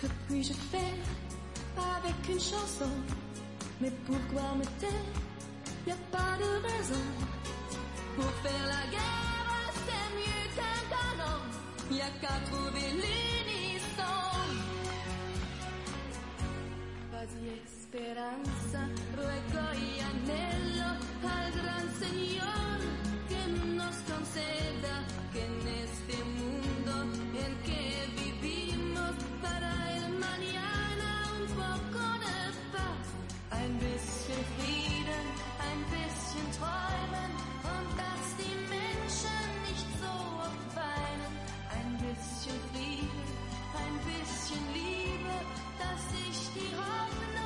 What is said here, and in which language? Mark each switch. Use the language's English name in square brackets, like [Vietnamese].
[French] je fais avec une chanson. Mais pourquoi me taire? Y'a pas de raison. Pour faire la guerre, c'est mieux qu'un canon. Y'a qu'à trouver l'unisson. Vas-y, [Spanish] esperanza, ruego y anhelo al gran señor que nos conceda que en este mundo en que vivimos para el mañana un poco de paz. [German] Ein bisschen Frieden, ein bisschen Träumen und dass die Menschen nicht so oft weinen. Ein bisschen Frieden, ein bisschen Liebe, dass ich die Hoffnung.